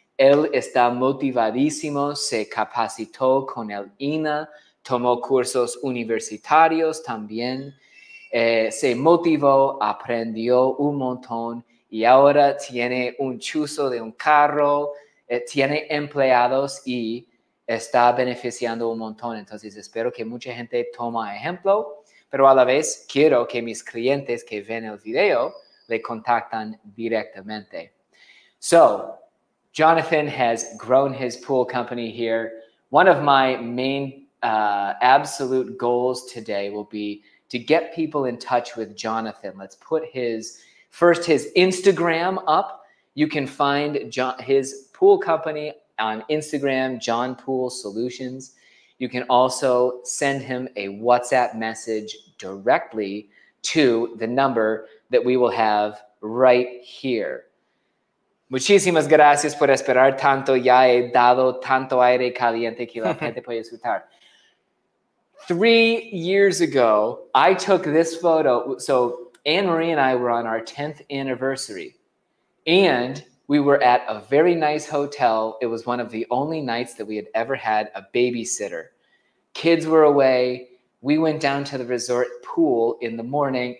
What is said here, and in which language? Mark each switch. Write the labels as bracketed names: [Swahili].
[Spanish] Él está motivadísimo, se capacitó con el INA, tomó cursos universitarios también, se motivó, aprendió un montón y ahora tiene un chuzo de un carro, tiene empleados y está beneficiando un montón. Entonces espero que mucha gente toma ejemplo, pero a la vez quiero que mis clientes que ven el video le contactan directamente. [English] So, Jonathan has grown his pool company here. One of my main absolute goals today will be to get people in touch with Jonathan. Let's put his Instagram up. You can find his pool company on Instagram, John Pool Solutions. You can also send him a WhatsApp message directly to the number that we will have right here. [Spanish] Muchísimas gracias por esperar tanto. Ya he dado tanto aire caliente que la gente puede disfrutar. [English] 3 years ago, I took this photo. So Anne Marie and I were on our 10th anniversary. And we were at a very nice hotel. It was one of the only nights that we had ever had a babysitter. Kids were away. We went down to the resort pool in the morning.